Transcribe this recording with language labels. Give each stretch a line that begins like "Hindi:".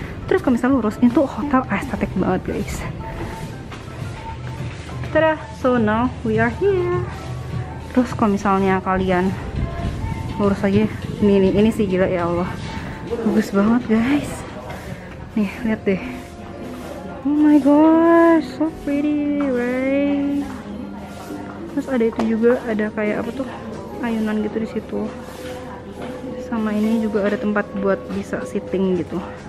Indonesian: Terus kalau misalnya lurus, ini tuh hotel estetik banget guys. Tada,
English: so now we are here.
Indonesian: Terus kalau misalnya kalian lurus lagi, ini sih gila ya Allah. Bagus banget guys. Nih, lihat deh.
English: Oh my gosh, so pretty, right?
Indonesian: Terus ada itu juga, ada kayak apa tuh? Ayunan gitu di situ. Sama ini juga ada tempat buat bisa sitting gitu.